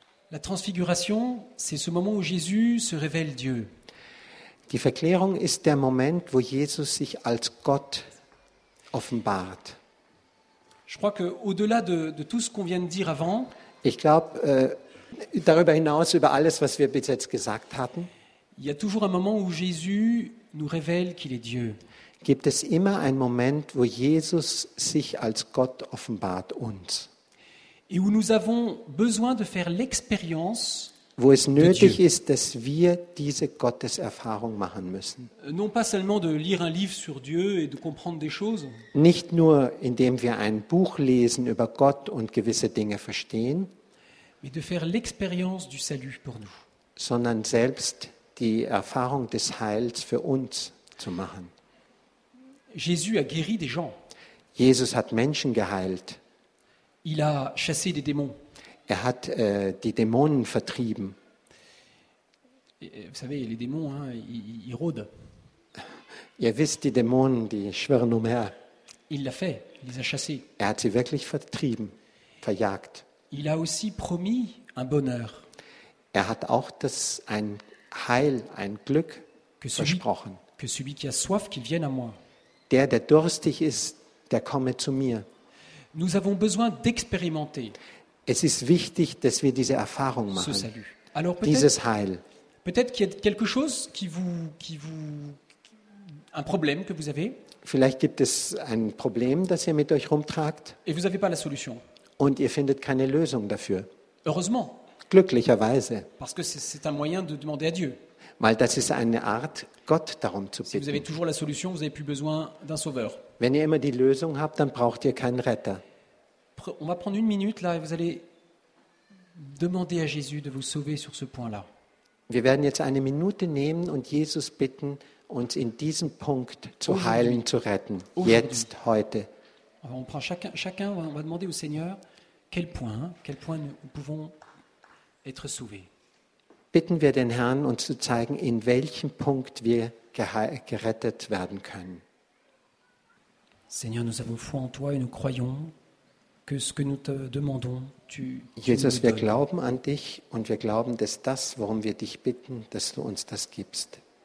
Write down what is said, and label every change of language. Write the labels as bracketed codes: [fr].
[fr] La transfiguration, c'est ce moment où Jésus se révèle Dieu. [de] Die Verklärung ist der Moment, wo Jesus sich als Gott offenbart. [fr] Je crois que au-delà de tout ce qu'on vient de dire avant, [de] ich glaube, darüber hinaus über alles, was wir bis jetzt gesagt hatten, [fr] il y a toujours un moment où Jésus nous révèle qu'il est Dieu. [de] Gibt es immer einen Moment, wo Jesus sich als Gott offenbart uns? [fr] Et où nous avons besoin de faire l'expérience. [de] Wo es nötig ist, dass wir diese Gotteserfahrung machen müssen. [fr] Non pas seulement de lire un livre sur Dieu et de comprendre des choses. [de] Nicht nur indem wir ein Buch lesen über Gott und gewisse Dinge verstehen. [fr] Mais de faire l'expérience du salut pour nous. [de] Sondern selbst die Erfahrung des Heils für uns zu machen. [fr] Jésus a guéri des gens. [de] Jesus hat Menschen geheilt. [fr] Il a chassé des démons. [de] Er hat die Dämonen vertrieben. [fr] Vous savez, les démons, hein, ils rôdent. [de] Ihr wisst, die Dämonen, die schwirren umher. [fr] Il l'a fait, il les a chassés. [de] Er hat sie wirklich vertrieben, verjagt. [fr] Il a aussi promis un bonheur. [de] Er hat auch das ein Heil, ein Glück versprochen. [fr] Que celui qui a soif, qu'il vienne à moi. [de] Der durstig ist, der komme zu mir. [fr] Nous avons besoin d'expérimenter. [de] Es ist wichtig, dass wir diese Erfahrung machen. [fr] Ce salut. [de] Alors dieses Heil. [fr] Peut-être qu'il y a quelque chose qui vous un problème que vous avez. [de] Vielleicht gibt es ein Problem, das ihr mit euch rumtragt. [fr] Et vous avez pas la solution. [de] Und ihr findet keine Lösung dafür. [fr] Heureusement. [de] Glücklicherweise. [fr] Parce que c'est un moyen de demander à Dieu. [de] Weil das ist eine Art, Gott darum zu bitten. [fr] Si vous avez toujours la solution, vous n'avez plus besoin d'un sauveur. [de] Wenn ihr immer die Lösung habt, dann braucht ihr keinen Retter. [fr] On va prendre une minute là et vous allez demander à Jésus de vous sauver sur ce point-là. [de] Wir werden jetzt eine Minute nehmen und Jesus bitten, uns in diesem Punkt zu heilen, zu retten. Jetzt, heute. [fr] On prend chacun, on va demander au Seigneur quel point nous pouvons être sauvés. [de] Bitten wir den Herrn, uns zu zeigen, in welchem Punkt wir gerettet werden können. [fr] Seigneur, nous avons foi en toi et nous croyons que ce que nous te demandons, tu nous donnes. [de] Jesus, wir glauben an dich und wir glauben, dass das, worum wir dich bitten, dass du uns das gibst.